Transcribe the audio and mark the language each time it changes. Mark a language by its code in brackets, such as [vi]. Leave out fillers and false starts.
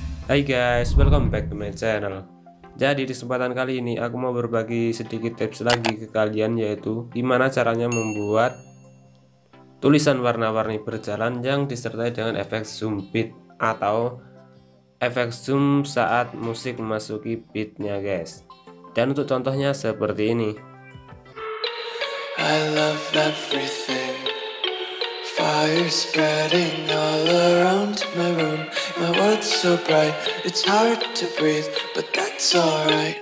[en] Hai guys, welcome back to my channel. [id] Jadi di kesempatan kali ini aku mau berbagi sedikit tips lagi ke kalian, yaitu gimana caranya membuat tulisan warna-warni berjalan yang disertai dengan efek zoom beat atau efek zoom saat musik memasuki beatnya guys. Dan untuk contohnya seperti ini. [en] I love everything. Fire spreading all around my room. My world's so bright, it's hard to breathe, but that's alright.